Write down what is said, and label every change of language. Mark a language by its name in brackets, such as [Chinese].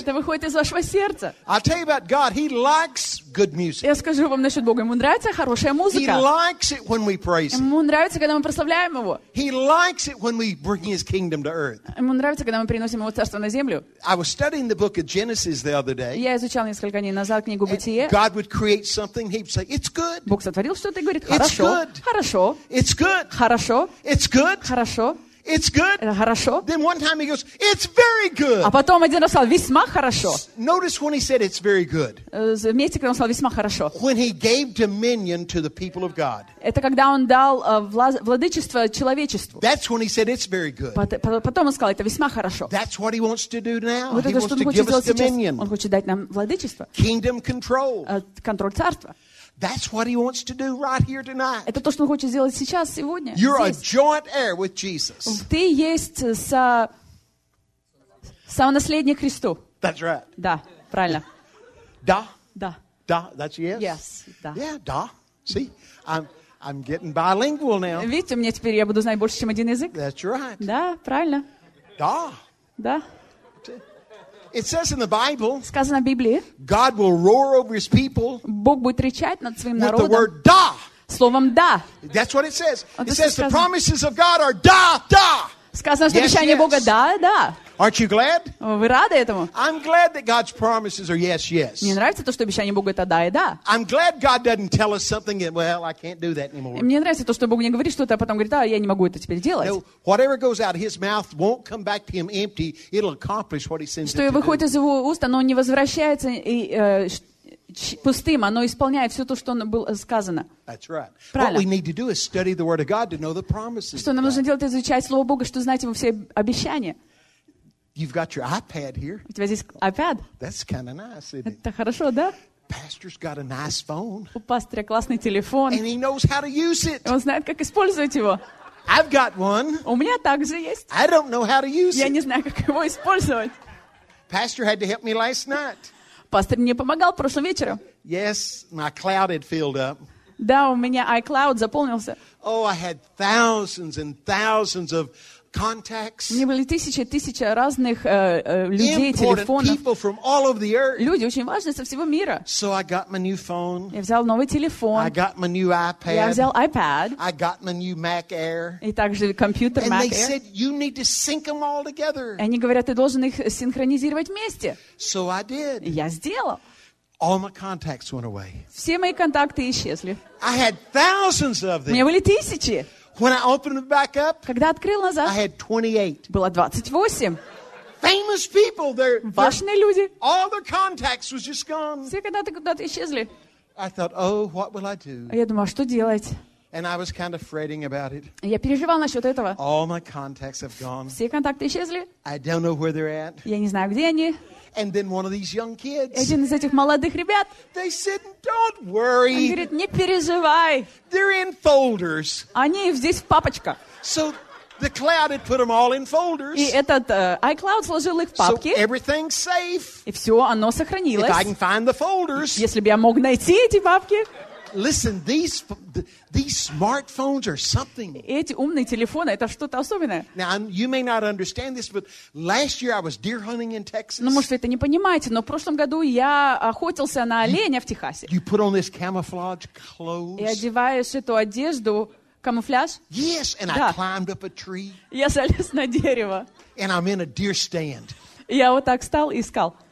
[Russian] Это выходит из вашего сердца. [English] I'll tell you about God. He likes good music. [Russian] Я скажу вам насчет Бога. Ему нравится хорошая музыка. [English] He likes it when we praise Him. [Russian] Ему нравится, когда мы прославляем Его. [English] He likes it when we bring His kingdom to earth. [Russian] Ему нравится, когда мы приносим Его царство на землю. [English] I was studying the book of Genesis the other day. [Russian] Я изучал несколько дней назад книгу Бытие. [English] God would create something. He'd say, "It's good." [Russian] Бог сотворил что-то и говорит: "Хорошо. Хорошо. [English] It's good. [Russian] Хорошо. [English] It's good. [Russian] Хорошо." [English] It's good. [Russian] Это хорошо. [English] Then one time he goes, "It's very good." [Russian] А потом один раз сказал: "Весьма хорошо." [English] Notice when he said, "It's very good." [Russian] Заметьте, когда он сказал: "Весьма хорошо." [English] When he gave dominion to the people of God. [Russian] Это когда он дал владычество человечеству. [English] That's when he said, "It's very good." [Russian] Потом он сказал: "Это весьма хорошо." [English] That's what he wants to do now. [Russian] Вот это, что он хочет сделать сейчас. Он хочет дать нам владычество. [English] Kingdom control. [Russian] Контроль царства. [English] That's what he wants to do right here tonight. [Russian] Это то, что он хочет сделать сейчас, сегодня. [English] You're a joint heir with Jesus. [Russian] Ты есть со наследник Христу. [English] That's right. [Russian] Да, правильно. Да. Да. Да, [English] that's yes. Yes. [Russian] Да. [English] Yeah, [Russian] да. [English] See, I'm getting bilingual now. [Russian] Видите, мне теперь я буду знать больше, чем один язык. [English] That's right. [Russian] Да, правильно. Да. Да. [English] It says in the Bible. [Russian] Сказано в Библии. [English] God will roar over His people. [Russian] Бог будет рычать над своим народом. [English] With the word "да." [Russian] Словом "да." [English] That's what it says. It says the promises of God are [Russian] "да, да." Сказано, что обещания Бога "да, да." [English] Aren't you glad? [Russian] Вы рады этому? [English] I'm glad that God's promises are "yes, yes." [Russian] Мне нравится то, что обещания Бога это "да, да." [English] I'm glad God doesn't tell us something that, well, I can't do that anymore. [Russian] Мне нравится то, что Бог не говорит что-то, а потом говорит: "А, я не могу это теперь делать." [English] Whatever goes out of His mouth won't come back to Him empty. It'll accomplish what He sends it to do. [Russian] Что выходит из Его уст, оно не возвращается и пустым, оно исполняет все то, что было сказано. [English] That's right. [Russian] Правильно. [English] What we need to do is study the Word of God to know the promises. [Russian] Что нам нужно делать, изучать Слово Бога, чтобы знать Его все обещания. [English] You've got your iPad here. [Russian] У тебя здесь iPad. [English] That's kind of nice, isn't it? [Russian] Это хорошо, да? [English] Pastor's got a nice phone. [Russian] У пастора классный телефон. [English] And he knows how to use it. [Russian] Он знает, как использовать его. [English] I've got one. [Russian] У меня также есть. [English] I don't know how to use it. [Russian] Я не знаю, как его использовать. [English] Pastor had to help me last night. [Russian] Пастор мне помогал прошлым вечером. [English] Yes, my cloud had filled up. [Russian] Да, у меня iCloud заполнился. [English] Oh, I had thousands and thousands of contacts. [Russian] У меня были тысячи и тысячи разных людей, телефонов. [English] People from all over the earth. [Russian] Люди очень важные со всего мира. [English] So I got my new phone. [Russian] Я взял новый телефон. [English] I got my new iPad. [Russian] Я взял iPad. [English] I got my new Mac Air. [Russian] И также компьютер [English] and Mac they Air. Said, you need to sync them all together. [Russian] И они говорят, ты должен их синхронизировать вместе. [English] So I did. [Russian] Я сделал. [English] All my contacts went away. [Russian] Все мои контакты исчезли. [English] I had thousands of them. [Russian] У меня были тысячи. [English] When I opened it back up, [Russian] когда открыл назад, [English] I had 28. [Russian] Было 28. [English] Famous people, they're [Russian] важные люди. [English] All their contacts was just gone. [Russian] Все контакты куда-то исчезли. [English] I thought, oh, what will I do? [Russian] Я думаю, а что делать? [English] And I was kind of fretting about it. [Russian] Я переживал насчёт этого. [English] All my contacts have gone. [Russian] Все контакты исчезли. [English] I don't know where they're at. [Russian] Я не знаю, где они. [English] And then one of these young kids. [Russian] Один из этих молодых ребят. [English] They said, "Don't worry." [Russian] Он говорит, не переживай. [English] They're in folders. [Russian] Они здесь в папочках. [English] So the cloud had put them all in folders. [Russian] И этот iCloud сложил их в папки. [English] So everything's safe. [Russian] И всё оно сохранилось. [English] If I can find the folders. [Russian] Если бы я мог найти эти папки. [English] Listen, these smartphones are something. [Russian] Эти умные телефоны это что-то особенное. [English] Now you may not understand this, but last year I was deer hunting in Texas. [Russian] Ну, может, вы это не понимаете, но в прошлом году я охотился на оленя в Техасе. [English] You put on this camouflage clothes. [Russian] И одеваешь эту одежду камуфляж? [English] Yes, and [Russian] да. [English] I climbed up a tree. [Russian] Я залез на дерево. [English] And I'm in a deer stand. [Russian] Я вот так стал и искал.